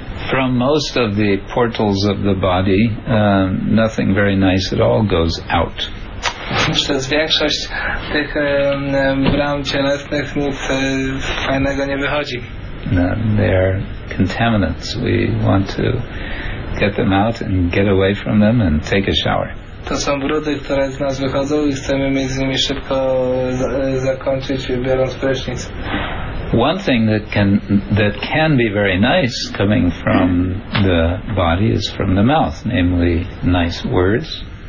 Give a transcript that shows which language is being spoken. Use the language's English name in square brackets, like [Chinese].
[English] From most of the portals of the body, nothing very nice at all goes out. [Polish] Przez większość tych bram cielesnych nic fajnego nie wychodzi. [English] No, they're contaminants. We want to get them out and get away from them and take a shower. [Polish] To są brudy, które z nas wychodzą i chcemy mieć z nimi szybko zakończyć, biorąc prysznic. [English] One thing that can be very nice coming from the body is from the mouth, namely nice words.